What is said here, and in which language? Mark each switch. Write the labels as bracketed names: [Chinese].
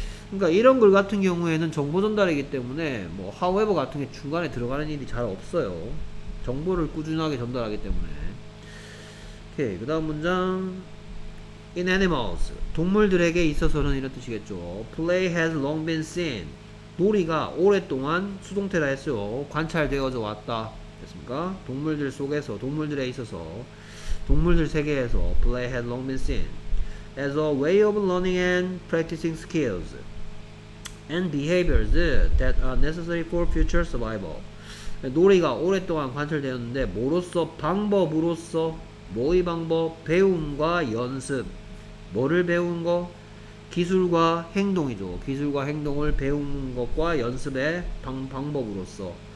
[Korean] 그러니까 이런 글 같은 경우에는 정보 전달이기 때문에 뭐 however 같은 게 중간에 들어가는 일이 잘 없어요. 정보를 꾸준하게 전달하기 때문에. 오케이, 그 다음 문장 [English] In animals, [Korean] 동물들에게 있어서는 이런 뜻이겠죠. [English] Play has long been seen. [Korean] 놀이가 오랫동안 수동태라 했어요. 관찰되어져 왔다. 됐습니까? 동물들 속에서, 동물들에 있어서, 동물들 세계에서 [English] Play has long been seen as a way of learning and practicing skills and behaviors that are necessary for future survival. [Korean] 놀이가 오랫동안 관찰되었는데 뭐로써? 방법으로써. 뭐의 방법? 배움과 연습. 뭐를 배운 거? 기술과 행동이죠. 기술과 행동을 배운 것과 연습의 방법으로써.